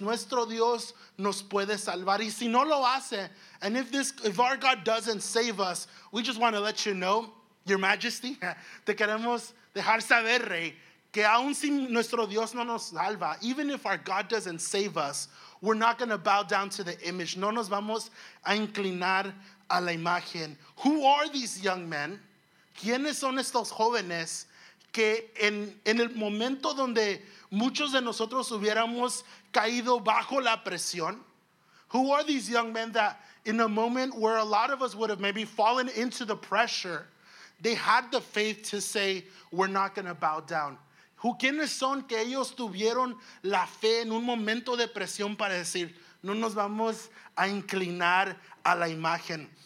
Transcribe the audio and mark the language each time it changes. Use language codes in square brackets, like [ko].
[es] Nuestro Dios nos puede salvar. Y si no lo hace, [en] and if our God doesn't save us, we just want to let you know, your majesty, [es] te queremos dejar saber, rey, que aun si nuestro Dios no nos salva, [en] even if our God doesn't save us, we're not going to bow down to the image. [es] No nos vamos a inclinar a la imagen. [en] Who are these young men? [es] ¿Quiénes son estos jóvenes que en el momento donde muchos de nosotros hubiéramos caído bajo la presión? [en] Who are these young men that in a moment where a lot of us would have maybe fallen into the pressure, they had the faith to say, we're not going to bow down? [es] ¿Quiénes son que ellos tuvieron la fe en un momento de presión para decir, no nos vamos a inclinar a la imagen?